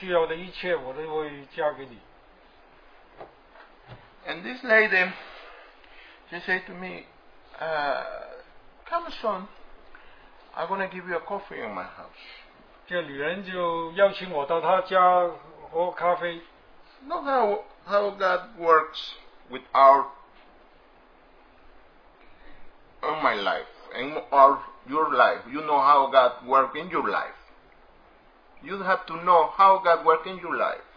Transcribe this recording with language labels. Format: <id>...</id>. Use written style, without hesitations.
<zh>但这个以前主对我说，你所需要的一切我都会交给你。</zh> <en>And this lady, she said to me, come soon, I'm going to give you a coffee in my house.</en> <zh>这女人就邀请我到她家喝咖啡。</zh> <en>Look how God works. With our, in my life, in our, your life. You know how God works in your life. You have to know how God works in your life.</en>